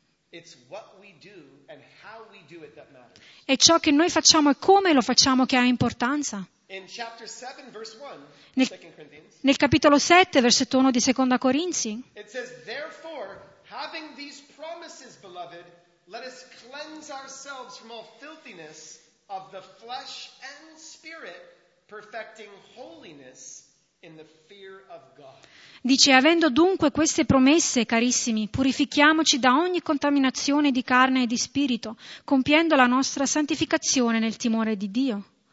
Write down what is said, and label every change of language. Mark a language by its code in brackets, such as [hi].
[en] It's what we do and how we do it that matters. [it] È ciò che noi facciamo e come lo facciamo che ha importanza. [en] In chapter 7, verse 1, [it] nel capitolo 7, versetto 1 di Seconda Corinzi, [en] it says, therefore, having these promises, beloved, let us cleanse ourselves from all filthiness of the flesh and spirit, perfecting holiness in the fear of God. [it] Dice, avendo dunque queste promesse, carissimi, purifichiamoci da ogni contaminazione di carne e di spirito, compiendo la nostra santificazione nel timore di Dio.